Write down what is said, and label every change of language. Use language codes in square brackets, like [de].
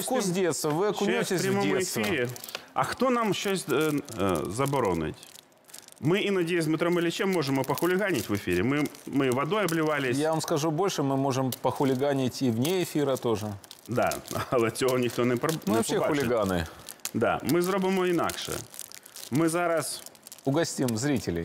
[ru] Это вкус детства, вы окунетесь в детство. [uk] Ефірі. А хто нам щось заборонить? [ru] Мы иногда с Дмитром Ильичем можем похулиганить в эфире. Мы водой обливались. Я вам скажу больше, мы можем похулиганить и вне эфира тоже. Да, но этого никто не пробует. Мы вообще хулиганы. Да, мы сделаем иначе. Мы сейчас... Угостим зрителей.